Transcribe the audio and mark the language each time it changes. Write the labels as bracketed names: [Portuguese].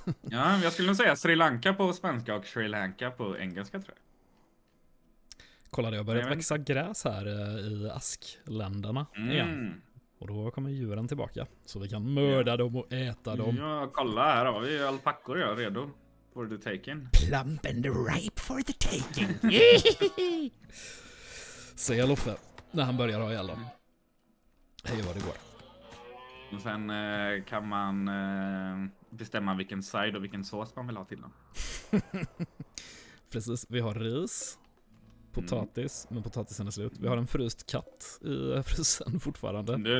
[Swedish] Ja, jag skulle nog säga Sri Lanka på svenska och Sri Lanka på engelska, tror jag. Kollade, jag börjat växa gräs här i askländerna igen. Och då kommer djuren tillbaka. Så vi kan mörda dem och äta dem. Ja, kolla här. Har vi alpackor, ja, redo. [English] For the taking. Plump and ripe for the taking. [Swedish] Se, Loffe. När han börjar ha ihjäl dem. Hej vad det går. Och sen kan man bestämma vilken side och vilken sås man vill ha till dem. Precis, vi har ris, potatis, men potatisen är slut. Vi har en fryst katt i frysen fortfarande.